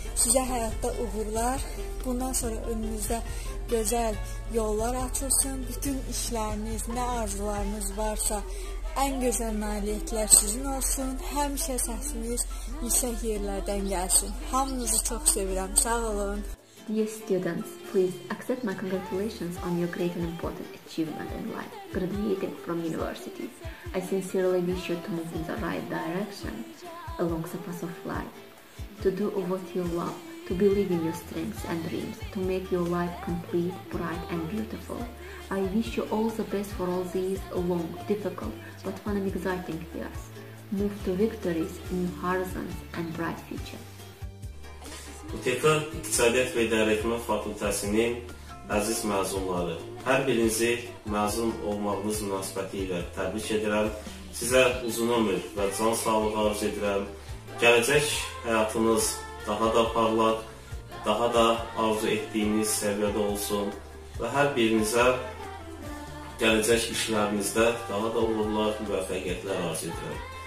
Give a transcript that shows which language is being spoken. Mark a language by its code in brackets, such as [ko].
[az] Sizə həyatda uğurlar, bundan sonra önünüzdə gözəl yollar açılsın. Bütün işləriniz, nə arzularınız varsa, ən gözəl nailiyyətlər sizin olsun, həmişə səsiniz yüksək yerlərdən gəlsin. Hamınızı çox sevirəm, sağ olun. [en] Dear students, please accept my congratulations on your great and important achievement in life, graduating from university. I sincerely wish you to move in the right direction along the path of life, to do what you love, to believe in your strengths and dreams, to make your life complete, bright and beautiful. I wish you all the best for all these long, difficult, but fun and exciting years. Move to victories, new horizons and bright future. [az] İTK İqtisadiyyat və İdarəetmə Fakültəsinin əziz məzunları, hər birinizi məzun olmağınız münasibəti ilə təbrik edirəm. Sizə uzun ömür və can sağlığı arzu edirəm. Gələcək həyatınız daha da parlaq, daha da arzu etdiyiniz səviyyədə olsun və hər birinizə gələcək işlərinizdə daha da uğurlar, müvəffəqiyyətlər arzu edirəm.